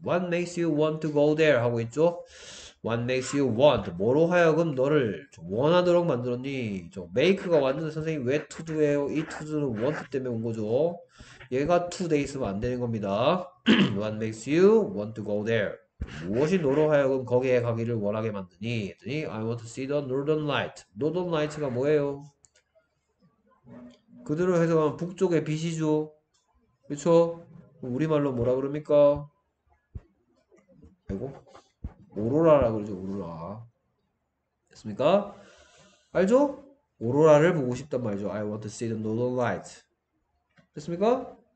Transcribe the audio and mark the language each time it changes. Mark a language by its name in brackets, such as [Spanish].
[English] What makes you want to go there? [Korean] 하고 있죠. [English] What makes you want? [Korean] 뭐로 하여금 너를 원하도록 만들었니? 저 make가 왔는데 선생님 왜 to do예요? 이 to do는 want 때문에 온 거죠. 얘가 to 돼 있으면 안 되는 겁니다. [English] What makes you want to go there? [Korean] 무엇이 너로 하여금 거기에 가기를 원하게 만드니? [English] 했더니, I want to see the northern light. [Korean] Northern light가 뭐예요? 그대로 해석하면 북쪽의 빛이죠. 그쵸? 우리말로 뭐라 그럽니까? 아이고, 오로라라 그러죠, 오로라. 됐습니까? 알죠? 오로라를 보고 싶단 말이죠. [English] I want to see the northern light. [Korean] 됐습니까?